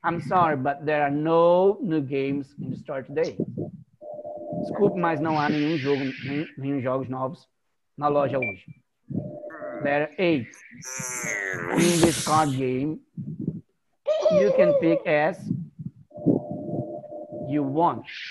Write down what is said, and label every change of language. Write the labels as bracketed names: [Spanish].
[English] I'm sorry, but there are no new games in the store today. [Portuguese] Desculpe, mas não há nenhum jogo, nenhum jogos novos na loja hoje. Letra A. [English] In this card game, you can pick as you want.